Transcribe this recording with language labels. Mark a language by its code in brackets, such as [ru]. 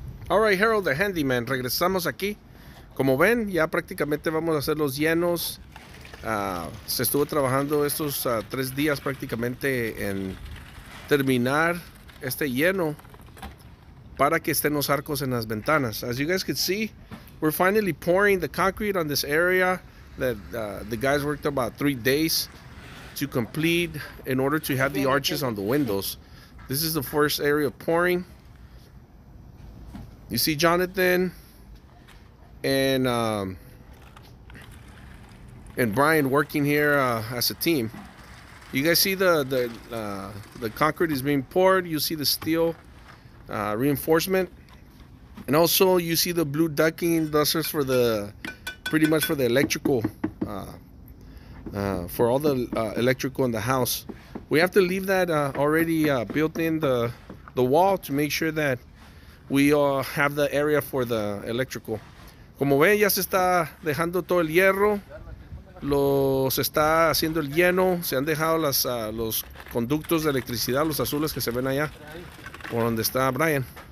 [es] Alright, Harold the Handyman, regresamos aquí. Como ven, ya prácticamente vamos a hacer los llenos. Se estuvo trabajando estos 3 días prácticamente en terminar este lleno para que estén los arcos en las ventanas. [en] As you guys can see, we're finally pouring the concrete on this area that the guys worked about 3 days to complete in order to have the arches on the windows. This is the first area of pouring. You see Jonathan and Brian working here as a team. You guys see the concrete is being poured. You see the steel reinforcement, and also you see the blue ducting dusters for the pretty much for the electrical for all the electrical in the house. We have to leave that already built in the wall to make sure that we have the area for the electrical. [es] Como ven, ya se está dejando todo el hierro. Se está haciendo el lleno. Se han dejado los conductos de electricidad, los azules que se ven allá, por donde está Brian.